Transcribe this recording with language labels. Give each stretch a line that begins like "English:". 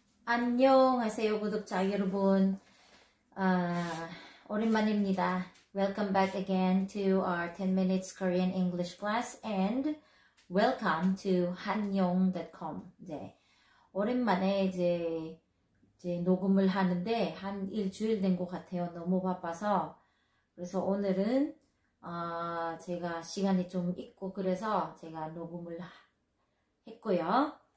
Korean: 안녕하세요, 구독자 여러분. 오랜만입니다.
English: Welcome back again to our 10 minutes Korean English class and welcome to 한용.com.
Korean: 이제 오랜만에 이제 녹음을 하는데 한 일주일 된 것 같아요. 너무 바빠서. 그래서 오늘은 제가 시간이 좀 있고 그래서 제가 녹음을 했고요.